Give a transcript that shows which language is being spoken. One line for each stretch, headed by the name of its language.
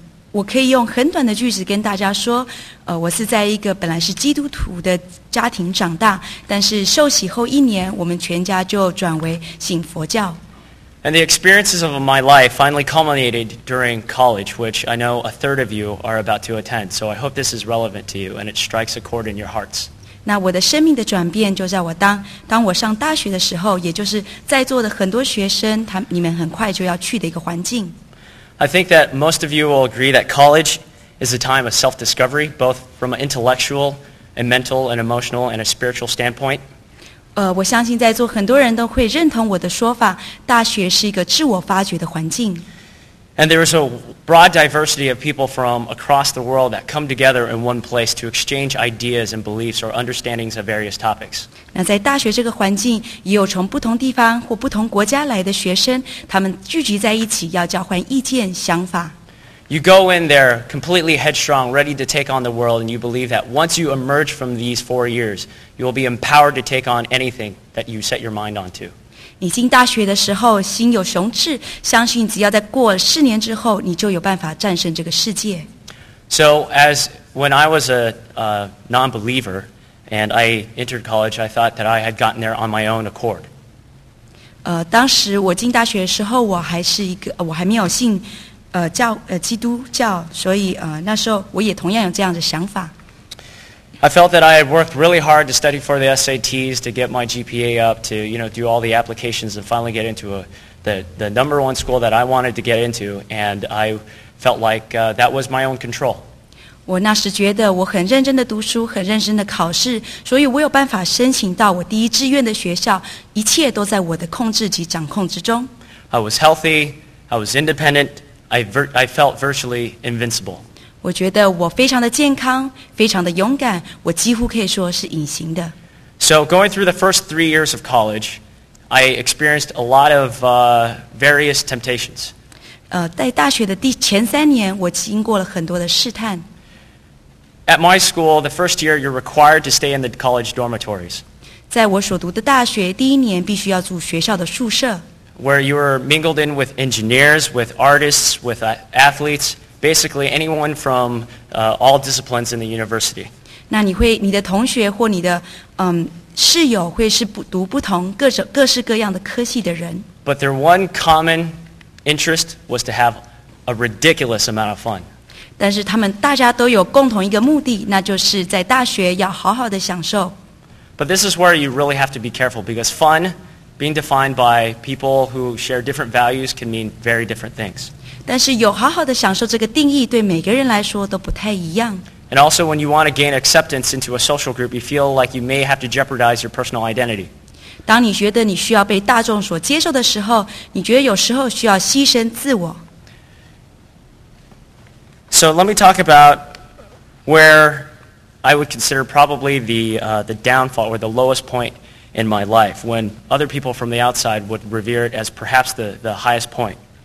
Chinese: 我可以用很短的句子跟大家说，我是在一个本来是基督徒的家庭长大，但是受洗后一年，我们全家就转为信佛教。
English: And the experiences of my life finally culminated during college, which I know a third of you are about to attend, so I hope this is relevant to you and it strikes a chord in your hearts.
Chinese: 那我的生命的转变就在我当我上大学的时候，也就是在座的很多学生，你们很快就要去的一个环境。
English: I think that most of you will agree that college is a time of self-discovery, both from an intellectual and mental and emotional and a spiritual standpoint.
Chinese: 我相信在座很多人都会认同我的说法，大学是一个自我发掘的环境。
English: And there is a broad diversity of people from across the world that come together in one place to exchange ideas and beliefs or understandings of various topics.
Chinese: 那在大学这个环境，也有从不同地方或不同国家来的学生，他们聚集在一起，要交换意见、想法。
English: You go in there completely headstrong, ready to take on the world, and you believe that once you emerge from these 4 years, you will be empowered to take on anything that you set your mind onto.
Chinese: 你进大学的时候心有雄志，相信只要在过四年之后，你就有办法战胜这个世界。
English: So as when I was a non-believer and I entered college, I thought that I had gotten there on my own accord.
Chinese: 当时我进大学的时候，我还没有信。基督教，所以那时候我也同样有这样的想法。
English: I felt that I had worked really hard to study for the SATs to get my GPA up to, you know, do all the applications and finally get into the number one school that I wanted to get into, and I felt like that was my own control.
Chinese: 我那时觉得我很认真的读书，很认真的考试，所以我有办法申请到我第一志愿的学校，一切都在我的控制及掌控之中。
English: I was healthy. I was independent. I felt virtually invincible.
Chinese: 我觉得我非常的健康，非常的勇敢，我几乎可以说是隐形的。
English: So going through the first 3 years of college, I experienced a lot of various temptations.
Chinese: 在大学的前三年，我经过了很多的试探。
English: At my school, the first year you're required to stay in the college dormitories.
Chinese: 在我所读的大学，第一年必须要住学校的宿舍。
English: Where you were mingled in with engineers, with artists, with athletes, basically anyone from all disciplines in the university.
Chinese: 那你的同学或你的室友会是读不同各式各样的科系的人。
English: But their one common interest was to have a ridiculous amount of fun.
Chinese: 但是他们大家都有共同一个目的，那就是在大学要好好的享受。
English: But this is where you really have to be careful, because fun, being defined by people who share different values, can mean very different things.
Chinese: 但是有好好的享受这个定义对每个人来说都不太一样。
English: And also, when you want to gain acceptance into a social group, you feel like you may have to jeopardize your personal identity.
Chinese: 当你觉得你需要被大众所接受的时候，你觉得有时候需要牺牲自我。
English: So let me talk about where I would consider probably the downfall or the lowest point in my life, when other people from the outside would revere it as perhaps the highest point.